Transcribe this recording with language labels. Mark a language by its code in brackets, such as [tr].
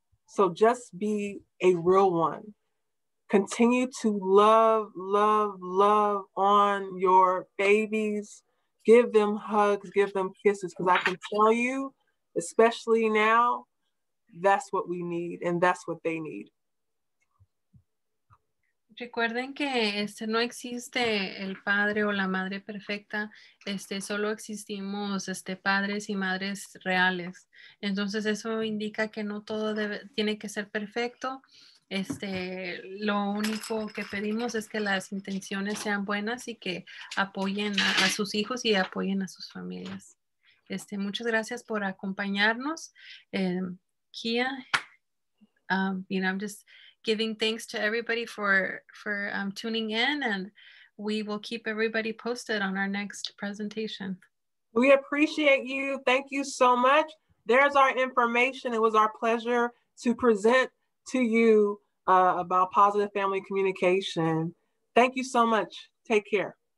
[en] So just be a real one. Continue to love, love, love on your babies. Give them hugs, give them kisses, because I can tell you, especially now, that's what we need and that's what they need. [es] Recuerden que no existe el padre o la madre perfecta, solo existimos padres y madres reales. Entonces eso indica que no todo tiene que ser perfecto. Lo único que pedimos es que las intenciones sean buenas y que apoyen a sus hijos y apoyen a sus familias. Muchas gracias por acompañarnos, Kia. [en] I'm just giving thanks to everybody for tuning in, and we will keep everybody posted on our next presentation. We appreciate you. Thank you so much. There's our information. It was our pleasure to present to you about positive family communication. Thank you so much. Take care.